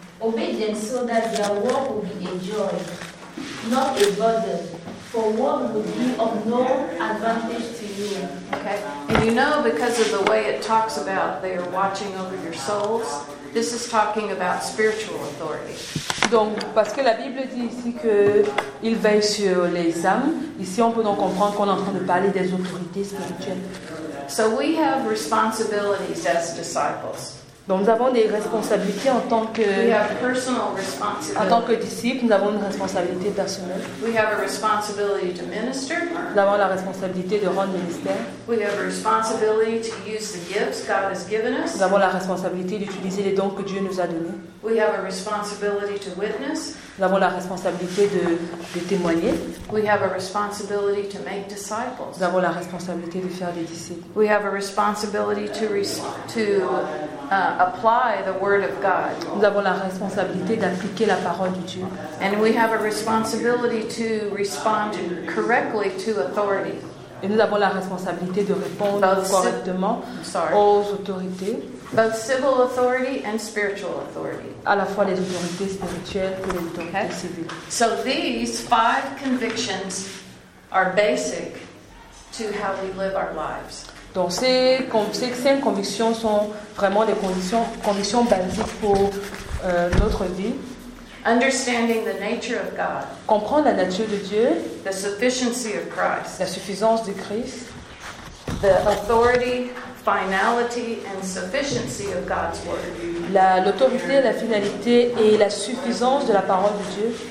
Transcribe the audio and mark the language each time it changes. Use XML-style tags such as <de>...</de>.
<en>Obey them so that their work will be a joy, not a burden. For what would be of no advantage to you. Okay. And you know, because of the way it talks about they are watching over your souls, this is talking about spiritual authority.</en> <fr>Donc, parce que la Bible dit ici qu'il veille sur les âmes, ici on peut donc comprendre qu'on est en train de parler des autorités spirituelles.</fr> <en>So we have responsibilities as disciples.</en> <fr>Donc nous avons des responsabilités en tant que disciples, nous avons une responsabilité personnelle.</fr> <en>We have a responsibility to minister.</en> <fr>Nous avons la responsabilité de rendre ministère.</fr> <en>We have a responsibility to use the gifts God has given us.</en> <fr>Nous avons la responsabilité d'utiliser les dons que Dieu nous a donnés.</fr> <en>We have a responsibility to witness.</en> <fr>Nous avons la responsabilité de témoigner.</fr> <en>We have a responsibility to make disciples.</en> <fr>Nous avons la responsabilité de faire des disciples.</fr> <en>We have a responsibility to apply the word of God.</en> <fr>Nous avons la responsabilité d'appliquer la parole de Dieu.</fr> <en>And we have a responsibility to respond correctly to authority.</en> <fr>Et nous avons la responsabilité de répondre correctement aux autorités.</fr> <en>Both civil authority and spiritual authority.</en> <fr>À la fois les autorités spirituelles et les autorités civiles.</fr> <en>So these five convictions are basic to how we live our lives.</en> <fr>Donc ces cinq convictions sont vraiment des convictions basiques pour notre vie.</fr> <en>Understanding the nature of God.</en> <fr>Comprendre la nature de Dieu.</fr> <en>The sufficiency of Christ.</en> <fr>La suffisance de Christ.</fr> <en>The authority, finality, and sufficiency of God's word.</en> <fr>L'autorité, la finalité et la suffisance de la parole de Dieu.</fr>